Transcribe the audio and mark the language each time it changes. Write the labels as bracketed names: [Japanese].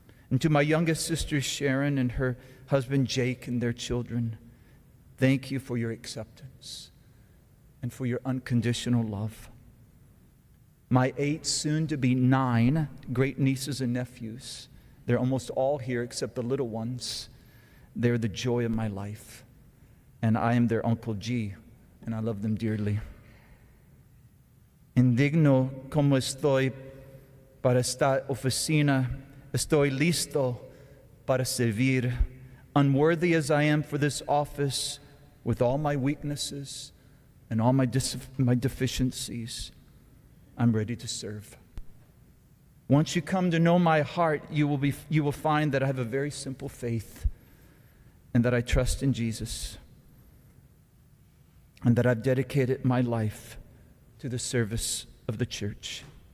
[English] And to my youngest sister Sharon and her husband Jake and their children, thank you for your acceptance and for your unconditional love. My 8 soon-to-be 9 great-nieces and nephews, they're almost all here except the little ones. They're the joy of my life, and I am their Uncle G, and I love them dearly. [Spanish] Indigno como estoy para esta oficina, estoy listo para servir. [English] Unworthy as I am for this office, with all my weaknesses and all my deficiencies, I'm ready to serve. Once you come to know my heart, you will find that I have a very simple faith and that I trust in Jesus and that I've dedicated my life to the service of the church.